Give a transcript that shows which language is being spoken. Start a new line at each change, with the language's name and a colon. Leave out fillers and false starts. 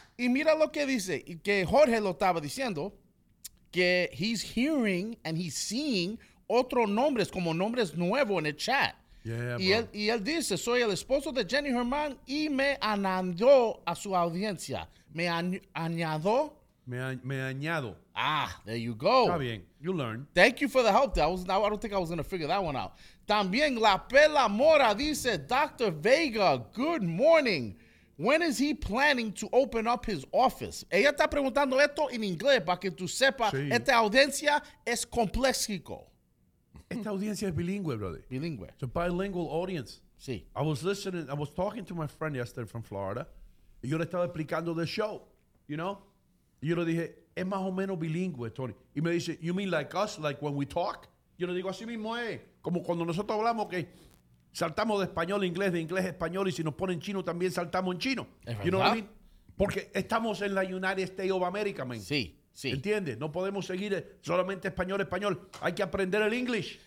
Spanish: Y mira lo que dice, que Jorge lo estaba diciendo, que
English: he's hearing and he's seeing
Spanish: otros nombres como nombres nuevos en el chat. Y él dice, soy el esposo de Jenny Herman y me añadió a su audiencia. Me añadió Me añado.
English: Ah, there you go.
Spanish: Está bien.
English: You learn. Thank you for the help. I don't think I was going to figure that one out.
Spanish: También La Pela Mora dice,
English: Dr. Vega, good morning. When is he planning to open up his office?
Spanish: Ella está preguntando esto en inglés para que tú sepas. Sí. Esta audiencia es complexico. Esta audiencia es bilingüe, brother. Bilingüe.
English: It's a bilingual audience.
Spanish: Sí.
English: I was talking to my friend yesterday from Florida.
Spanish: Y yo le estaba explicando
English: the show, you know?
Spanish: Y yo le dije, es más o menos bilingüe, Tony.
English: Y me dice, you mean like us, like when we talk?
Spanish: Yo le digo, así mismo es. Como cuando nosotros hablamos que saltamos de español a inglés, de inglés a español, y si nos ponen chino también saltamos en chino.
English: You know what I mean?
Spanish: Porque estamos en la United States of America, man. Sí, sí. ¿Entiendes? No podemos seguir solamente español, español. Hay que aprender el inglés.